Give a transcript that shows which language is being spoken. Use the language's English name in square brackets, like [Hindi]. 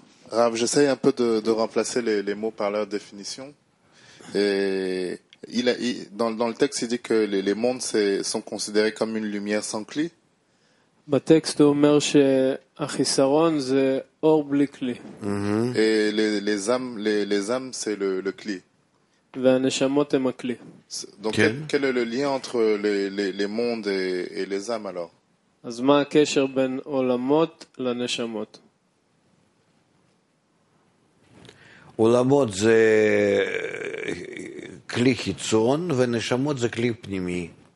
[French] Rav, j'essaye un peu de remplacer les mots par leur définition. Et dans le texte, il dit que les mondes sont considérés comme une lumière sans clé. [Hebrew] בטקסט הוא אומר שהחיסרון זה אור בלי כלי. לזם זה לכלי. והנשמות הם הכלי. כאילו לליה [French] entre les mondes et les âmes alors? [Hebrew] אז מה הקשר בין עולמות לנשמות? עולמות זה כלי חיצון ונשמות זה כלי פנימי.